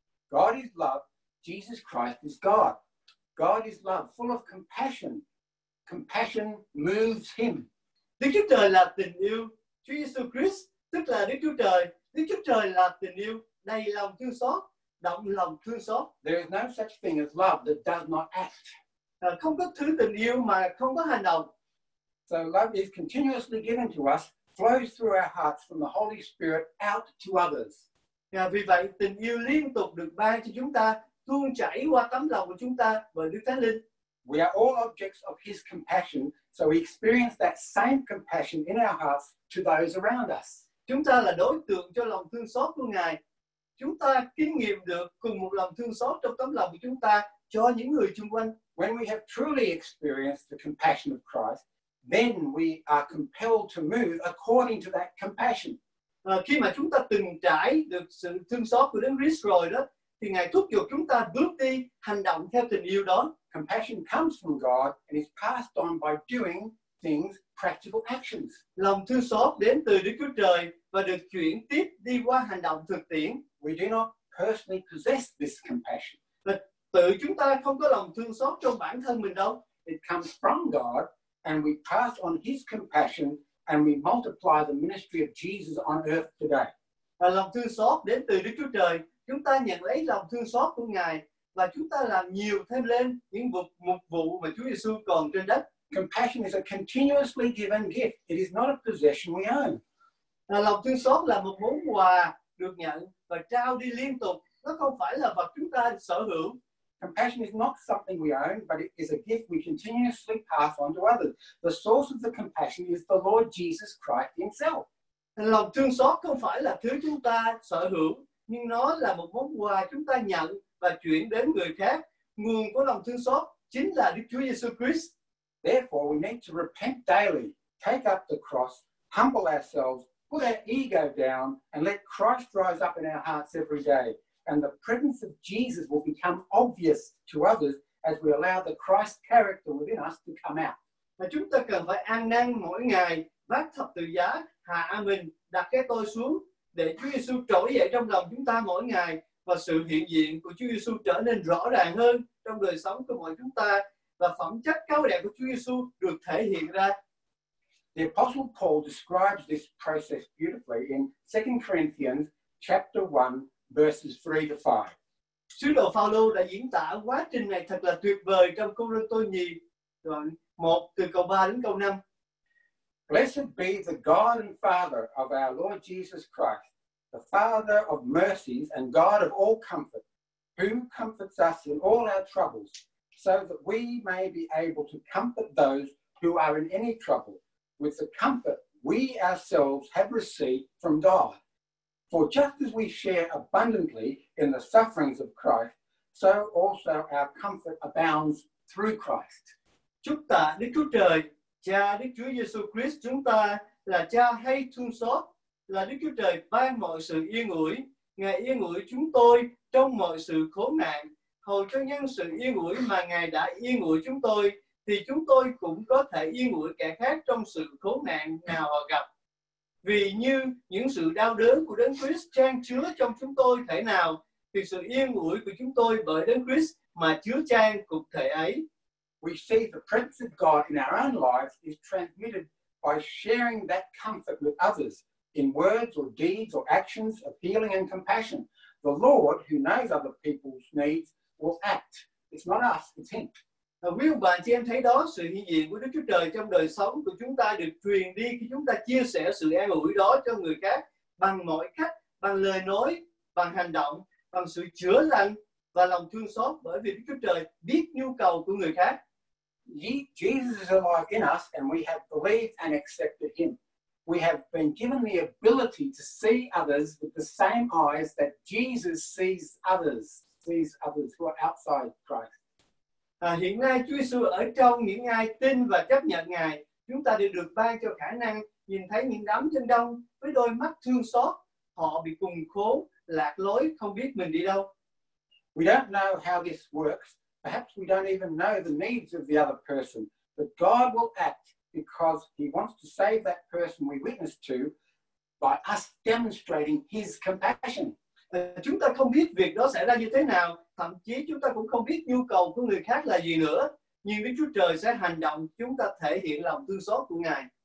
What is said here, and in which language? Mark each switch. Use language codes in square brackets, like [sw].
[en] God is love. Jesus Christ is God. God is love, full of compassion. Compassion moves him. [vi] Đức Chúa Trời là tình yêu. Chúa Giêsu Christ, tức là Đức Chúa Trời. Đức Chúa Trời là tình yêu. Đầy lòng thương xót, động lòng thương xót. [en] There is no such thing as love that does not act. [vi] Không có thứ tình yêu mà không có hành động. [en] So love is continuously given to us, flows through our hearts from the Holy Spirit out to others. [vi] Vì vậy tình yêu liên tục được ban cho chúng ta, tuôn chảy qua tấm lòng của chúng ta bởi Đức Thánh Linh. [en] We are all objects of His compassion, so we experience that same compassion in our hearts to those around us. [vi] Chúng ta là đối tượng cho lòng thương xót của Ngài. Chúng ta kinh nghiệm được cùng một lòng thương xót trong tấm lòng của chúng ta cho những người xung quanh. [en] When we have truly experienced the compassion of Christ, then we are compelled to move according to that compassion. [vi] Khi mà chúng ta từng trải được sự thương xót của Đấng Christ rồi đó, thì Ngài thúc giục chúng ta bước đi, hành động theo tình yêu đó. [en] Compassion comes from God and is passed on by doing things, practical actions. [vi] Lòng thương xót đến từ Đức Chúa Trời và được chuyển tiếp đi qua hành động thực tiễn. [en] We do not personally possess this compassion. [vi] Tự chúng ta không có lòng thương xót trong bản thân mình đâu. [en] It comes from God and we pass on His compassion and we multiply the ministry of Jesus on earth today. [vi] Lòng thương xót đến từ Đức Chúa Trời. Chúng ta nhận lấy lòng thương xót của Ngài và chúng ta làm nhiều thêm lên những mục vụ mà Chúa Giêsu còn trên đất. [en] Compassion is a continuously given gift. It is not a possession we own. [vi] Lòng thương xót là một món quà được nhận và trao đi liên tục. Nó không phải là vật chúng ta sở hữu. [en] Compassion is not something we own, but it is a gift we continuously pass on to others. The source of the compassion is the Lord Jesus Christ himself. [vi] Lòng thương xót không phải là thứ chúng ta sở hữu, nhưng nó là một món quà chúng ta nhận và chuyển đến người khác. Nguồn của lòng thương xót chính là Đức Chúa Giêsu Christ. [en] Therefore, we need to repent daily, take up the cross, humble ourselves, put our ego down and let Christ rise up in our hearts every day. And the presence of Jesus will become obvious to others as we allow the Christ character within us to come out. [vi] Và chúng ta cần phải ăn năn mỗi ngày, vác thập tự giá, hạ mình, đặt cái tôi xuống để Chúa Giêsu trỗi dậy trong lòng chúng ta mỗi ngày và sự hiện diện của Chúa Giêsu trở nên rõ ràng hơn trong đời sống của mọi chúng ta và phẩm chất cao đẹp của Chúa Giêsu được thể hiện ra. [en] The Apostle Paul describes this process beautifully in 2 Corinthians chapter 1, verses 3 to 5. [vi] Sứ đồ Phao-lô đã diễn tả quá trình này thật là tuyệt vời trong Cô-rinh-tô nhì, đoạn 1, từ câu 3 đến câu 5. [en] Blessed be the God and Father of our Lord Jesus Christ, the Father of mercies and God of all comfort, who comforts us in all our troubles, so that we may be able to comfort those who are in any trouble, with the comfort we ourselves have received from God. For just as we share abundantly in the sufferings of Christ, so also our comfort abounds through Christ. [vi] Chúc tạ Đức Chúa Trời, Cha Đức Chúa Giêsu Christ chúng ta là Cha hay thương xót, là Đức Chúa Trời ban mọi sự yên ủi. Ngài yên ủi chúng tôi trong mọi sự khổ nạn. Hầu cho nhân sự yên ủi mà Ngài đã yên ủi chúng tôi, thì chúng tôi cũng có thể yên ủi kẻ khác trong sự khổ nạn nào họ gặp. Vì như những sự đau đớn của Đấng Christ trang chứa trong chúng tôi thể nào, thì sự yên ủi của chúng tôi bởi Đấng Christ mà chứa chan cục thể ấy. [en] We see the presence of God in our own lives is transmitted by sharing that comfort with others in words or deeds or actions of healing and compassion. The Lord, who knows other people's needs, will act. It's not us, it's Him. [vi] Quý ông bà chị em thấy đó, sự hiện diện của Đức Chúa Trời trong đời sống của chúng ta được truyền đi khi chúng ta chia sẻ sự an ủi đó cho người khác bằng mọi cách, bằng lời nói, bằng hành động, bằng sự chữa lành và lòng thương xót, bởi vì Đức Chúa Trời biết nhu cầu của người khác. [en] Jesus is alive in us and we have believed and accepted Him. We have been given the ability to see others with the same eyes that Jesus sees others who are outside Christ. [vi] Hiện nay Chúa Giêsu ở trong những ai tin và chấp nhận Ngài, chúng ta đều được ban cho khả năng nhìn thấy những đám chân đông với đôi mắt thương xót, họ bị cùng khổ, lạc lối, không biết mình đi đâu. [en] We don't know how this works. Perhaps we don't even know the needs of the other person. But God will act because He wants to save that person we witness to by us demonstrating His compassion. [vi] Chúng ta không biết việc đó sẽ ra như thế nào. Thậm chí chúng ta cũng không biết nhu cầu của người khác là gì nữa. Nhưng Đức Chúa Trời sẽ hành động, chúng ta thể hiện lòng thương xót của Ngài.